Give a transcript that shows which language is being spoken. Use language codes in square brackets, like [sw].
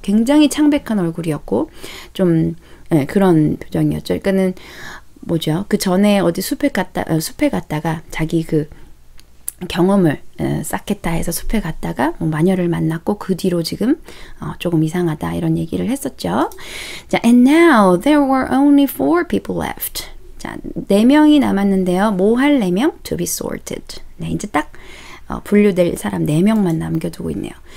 [ko] 굉장히 창백한 얼굴이었고 좀 네, 그런 표정이었죠. 그러니까는 뭐죠? 그 전에 어디 숲에 갔다가 자기 그 경험을 쌓겠다 해서 숲에 갔다가 뭐 마녀를 만났고 그 뒤로 지금 조금 이상하다 이런 얘기를 했었죠. [en] 자, and now there were only four people left. [ko] 자, 네 명이 남았는데요. 뭐 할 네 명? [en] To be sorted. [ko] 네, 이제 딱 분류될 사람 네 명만 남겨두고 있네요.